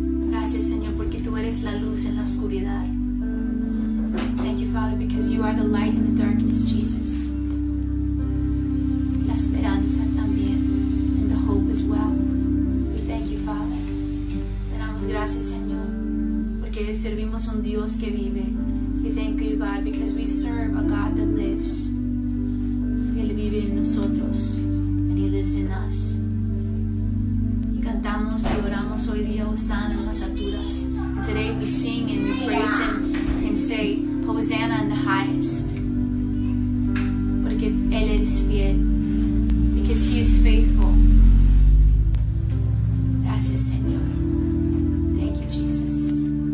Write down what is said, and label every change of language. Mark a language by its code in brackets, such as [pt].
[es] Gracias, Señor, porque tú eres la luz en la oscuridad. [en] Thank you, Father, because you are the light in the darkness, Jesus. [es] La esperanza también, [en] and the hope as well. We thank you, Father. [es] Te damos gracias, Señor, porque servimos un Dios que vive. [en] We thank you, God, because we serve a God that lives. [es] Él vive en nosotros, [en] and He lives in us. [es] Cantamos y oramos hoy día, Hosanna en las alturas. [en] Today we sing and we praise Him and say, Hosanna in the highest. [es] Porque Él es fiel. [en] Because He is faithful. [es] Gracias, Señor. [en] Thank you, Jesus.